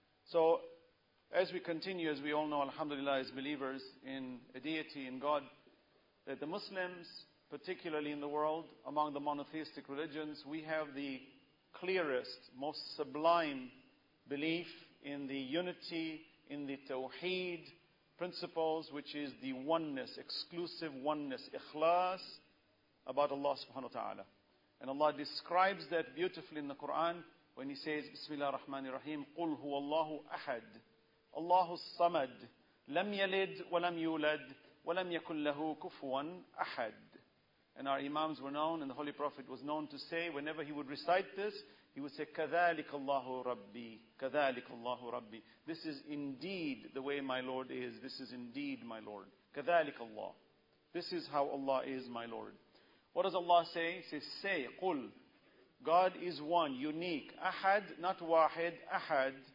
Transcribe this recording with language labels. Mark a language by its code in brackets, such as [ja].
[en] So as we continue, as we all know, alhamdulillah, as believers in a deity, in God, that the Muslims, particularly in the world, among the monotheistic religions, we have the clearest, most sublime belief in the unity, in the tawheed principles, which is the oneness, exclusive oneness, ikhlas, about Allah subhanahu wa ta'ala. And Allah describes that beautifully in the Quran when He says, [ar] Bismillah ar-Rahman ar-Rahim, قُلْ هُوَ اللَّهُ أَحَدْ اللَّهُ الصَّمَدْ لَمْ يَلِدْ وَلَمْ يُولَدْ وَلَمْ يَكُلْ لَهُ كُفُوًا أَحَدْ. [en] And our imams were known, and the Holy Prophet was known to say, whenever he would recite this, he would say, [ar] كَذَلِكَ اللَّهُ رَبِّي كَذَلِكَ اللَّهُ رَبِّي. [en] This is indeed the way my Lord is. This is indeed my Lord. [ar] كَذَلِكَ اللَّهُ. [en] This is how Allah is my Lord. What does Allah say? He says, say, قُلْ. God is one, unique. [ar] أحد, [en] not [ar] واحد, أحد.